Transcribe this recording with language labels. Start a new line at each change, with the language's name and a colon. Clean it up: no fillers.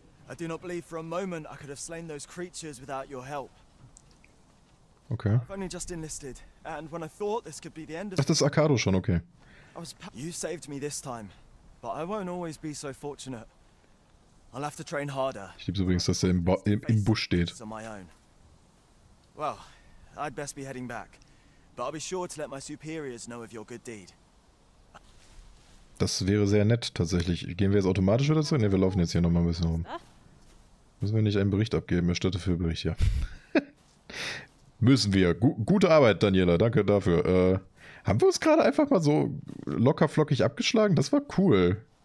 English: I do not believe for a moment I could have slain those creatures without your help. Okay. I've only just enlisted and when I thought this could be the end of.
German: Ach, das ist Arcado schon, okay.
English: You saved me this time, but I won't always be so fortunate. I'll have to train harder.
German: Ich liebe übrigens, dass er im Busch steht.
English: Well, I'd best be heading back, but I'll be sure to let my superiors know of your good deed.
German: Das wäre sehr nett, tatsächlich. Gehen wir jetzt automatisch wieder zu? Ne, wir laufen jetzt hier nochmal ein bisschen rum. Müssen wir nicht einen Bericht abgeben? Ich stelle dafür Bericht, ja. Müssen wir. Gute Arbeit, Daniela. Danke dafür. Haben wir uns gerade einfach mal so locker flockig abgeschlagen? Das war cool.